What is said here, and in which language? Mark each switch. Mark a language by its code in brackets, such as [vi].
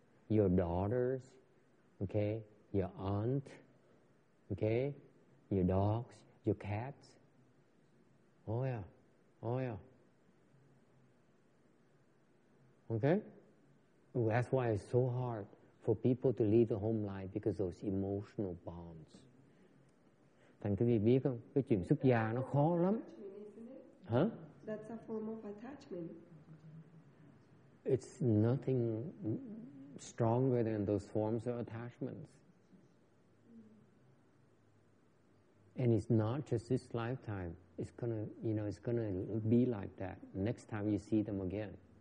[en] Your daughters, okay? Your aunt, okay? Your dogs, your cats. Oh yeah, oh yeah. Okay? That's why it's so hard for people to leave the home life because of those emotional bonds. [vi] Thành thưa vị biết không? Cái chuyện xuất gia nó khó lắm. Hả? [en] That's a form of attachment. It's nothing stronger than those forms of attachments. And it's not just this lifetime. It's gonna, you know, it's gonna be like that next time you see them again.